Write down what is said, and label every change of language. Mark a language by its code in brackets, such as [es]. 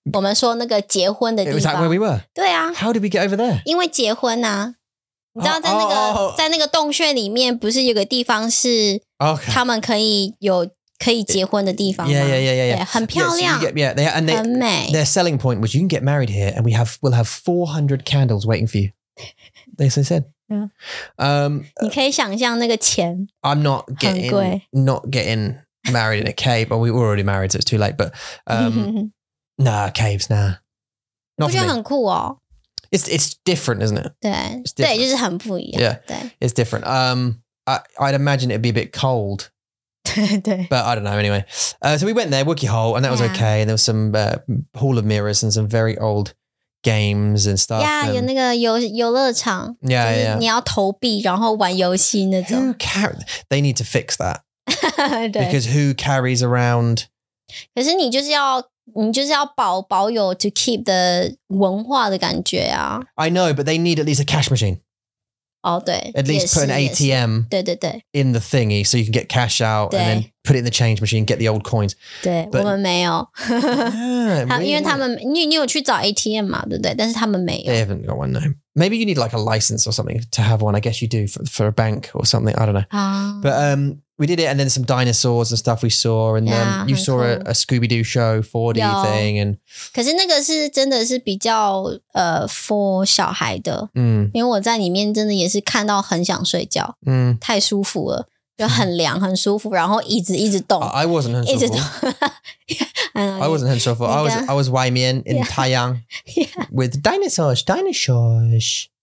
[zh] 我们说那个结婚的地方。 [en] Is that where we were? [zh] 对啊。 [en] How did we get over there? [zh] 因为结婚啊。你知道在那个 在那个洞穴里面不是有个地方是他们可以有可以结婚的地方吗 [en] yeah. [zh] 很漂亮很美 [en] their selling point was you can get married here and we'll have 400 candles waiting for you they said yeah. [zh] 你可以想象那个钱 [en] I'm not getting not getting married in a cave but we were already married so it's too late but nah caves nah not [zh] 我觉得很酷哦 [en] it's different isn't it [zh] 对 [en] different. [zh] 对就是很不一样 [en] yeah. [zh] 对 [en] it's different I'd imagine it'd be a bit cold but I don't know anyway so we went there Wookiee Hole and that was okay and there was some Hall of Mirrors and some very old games and stuff yeah [zh] 有那个游乐场 [en] yeah yeah [zh] 你要投币然后玩游戏那种 [en] who carries they need to fix that because who carries around [zh] 可是你就是要保有 [en] to keep the [zh] 文化的感觉啊 [en] I know but they need at least a cash machine [zh] Oh, 对 [en] At least put an ATM [zh] 对对对 [en] in the thingy so you can get cash out and then put it in the change machine, get the old coins. [zh] 对 [en] but, [zh] 我们没有 [en] yeah, [zh] 因为他们 你有去找 ATM 嘛对不对但是他们没有 [en] They haven't got one, no. Maybe you need like a license or something to have one. I guess you do for a bank or something. I don't know. But we did it and then some dinosaurs and stuff we saw and then you saw a Scooby-Doo show 4D thing. And [zh] 可是那个是真的是比较 [en] for [zh] 小孩的。嗯。因为我在里面真的也是看到很想睡觉。嗯。太舒服了。就很凉很舒服然后一直动。 [en] I wasn't [zh] 很舒服。 [en] I wasn't 很舒服。 I was [zh] 外面 [en] in Taiwan with dinosaurs.